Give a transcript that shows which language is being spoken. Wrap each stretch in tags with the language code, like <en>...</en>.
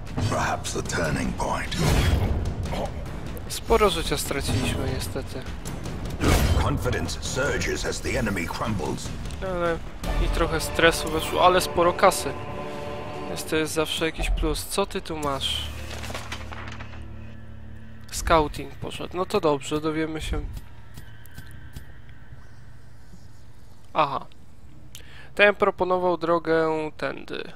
<en>Perhaps the turning point.</en> <pl>Sporo życia straciliśmy niestety.</pl> <en>Confidence surges as the enemy crumbles.</en> <pl>Ale i trochę stresu weszło, ale sporo kasy. Więc to jest zawsze jakiś plus. Co ty tu masz? scouting poszedł. No to dobrze, dowiemy się. Aha. Ten proponował drogę tędy.</pl>